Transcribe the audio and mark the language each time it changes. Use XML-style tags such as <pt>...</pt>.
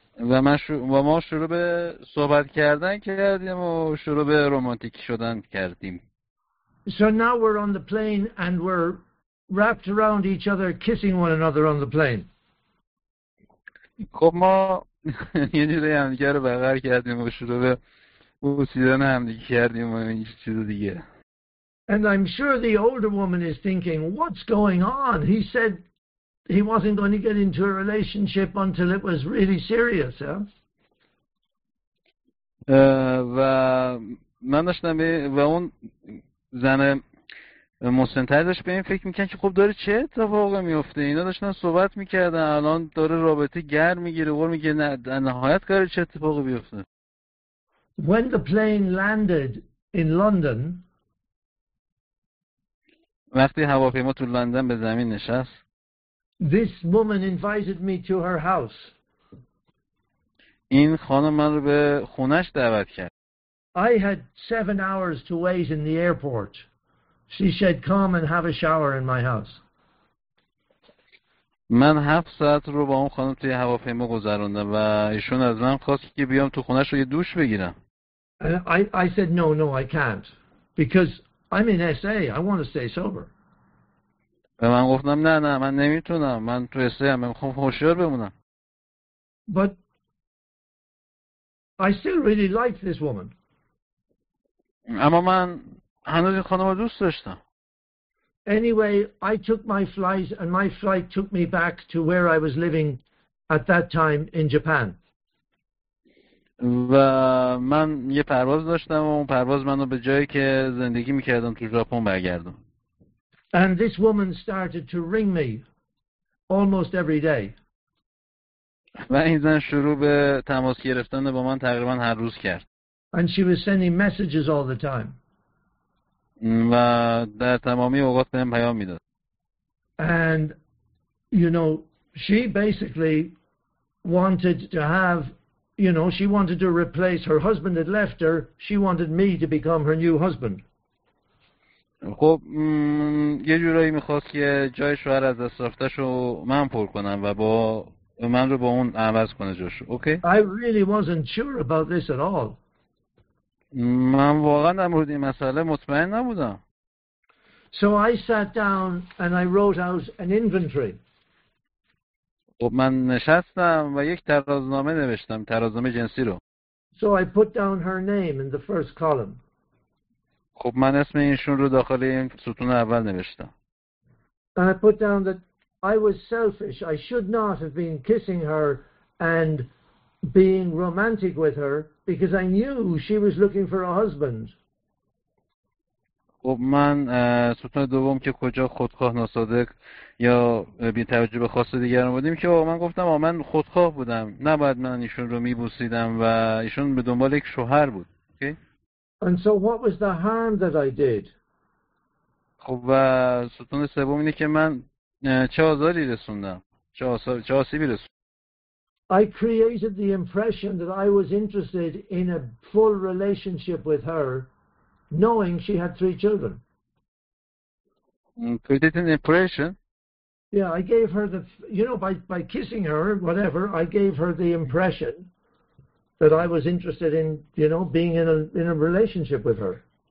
<fa>و ما شروع به صحبت کردن کردیم و شروع به رمانتیک شدن کردیم.</fa> <en>So now we're on the plane and we're wrapped around each other kissing one another on the plane.</en> <fa>خب ما یه جوری همدیگه رو بغل کردیم و شروع به بوسیدن همدیگه کردیم و هیچ چیز دیگه.</fa> <en>And I'm sure the older woman is thinking, what's going on? He said he wasn't going to get into a relationship until it was really serious, huh?</en> <fa>و من داشتم و اون زن مسن‌تر داشت به این فکر میکرد که خب داره چه اتفاقی میفته، اینا داشتن صحبت میکردن الان داره رابطه گر میگیره و میگه نهایت قراره چه اتفاقی بیفته.</fa> <en>When the plane landed in London,</en> <fa>وقتی هواپیما تو لندن به زمین نشست،</fa> <en>this woman invited me to her house.</en> <fa>این خانم من رو به خونش دعوت کرد.</fa> <en>I had 7 hours to wait in the airport. She said, come and have a shower in my house.</en> <fa>من 7 ساعت رو با اون خانم توی هواپیما گذروندم و ایشون از من خواست که بیام تو خونش رو یه دوش بگیرم.</fa> <en>And I said, no, I can't. Because I'm in SA, I want to stay sober.</en> <fa>و من گفتم نه من نمیتونم. من تو SA هم میخوام هوشیار بمونم.</fa> <en>But I still really like this woman.</en> <fa>اما من هنوز این خانم رو دوست داشتم.</fa> <en>Anyway, I took my flight and my flight took me back to where I was living at that time in Japan.</en> <fa>و من یه پرواز داشتم و اون پرواز منو به جایی که زندگی میکردم تو ژاپن برگردون.</fa> <en>And this woman started to ring me almost every day.</en> <fa>و این زن شروع به تماس گرفتن با من تقریبا هر روز کرد.</fa> <en>And she was sending messages all the time.</en> <fa>و در تمامی اوقات به من پیام میداد.</fa> <en>And you know, she basically wanted to have, you know, she wanted to replace her husband had left her. She wanted me to become her new husband.</en> <fa>خب یه جورایی میخواست که جای شوهر از دست رفتهشو من پر کنم و با من رو با اون عوض کنه جاشو.</fa> <en>Okay? I really wasn't sure about this at all.</en> <fa>من واقعا در مورد این مسئله مطمئن نبودم.</fa> <en>So I sat down and I wrote out an inventory.</en> <fa>خب من نشستم و یک ترازنامه نوشتم، ترازنامه جنسی رو.</fa> <en>So I put down her name in the first column.</en> <fa>خب من اسم اینشون رو داخل این ستون اول نوشتم.</fa> <en>And I put down that I was selfish. I should not have been kissing her and being romantic with her because I knew she was looking for a husband.</en> <fa>خب من ستون دوم که کجا خودخواه ناصادق یا بی توجه به خواست دیگران بودیم که من گفتم من خودخواه بودم، نباید من ایشون رو میبوسیدم و ایشون به دنبال یک شوهر بود.</fa> <en>Okay? And so what was the harm that I did?</en> <fa>خب و ستون سوم اینه که من چه آزاری رسوندم؟ چه آسیبی رسوندم؟</fa> <en>I created the impression that I was interested in a full relationship with her, knowing she had 3 children. Created an impression? Yeah, I gave her by kissing her, whatever, I gave her the impression that I was interested in, you know, being in a relationship with her.</en>